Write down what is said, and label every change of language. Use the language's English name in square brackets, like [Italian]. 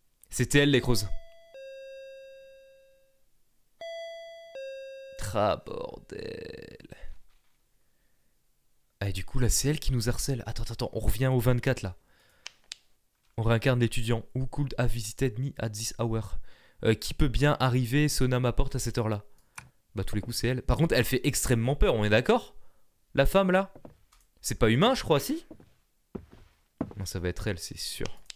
[French] C'était elle, les creuses. Tra bordel. Ah, et du coup, là, c'est elle qui nous harcèle. Attends, attends, on revient au 24, là. On réincarne l'étudiant. [English] Who could have visited me at this hour? [French] Qui peut bien arriver sonner à ma porte à cette heure-là? Bah, tous les coups, c'est elle. Par contre, elle fait extrêmement peur, on est d'accord? La femme, là? C'est pas humain, je crois, si? Non, ça va être elle, c'est sûr.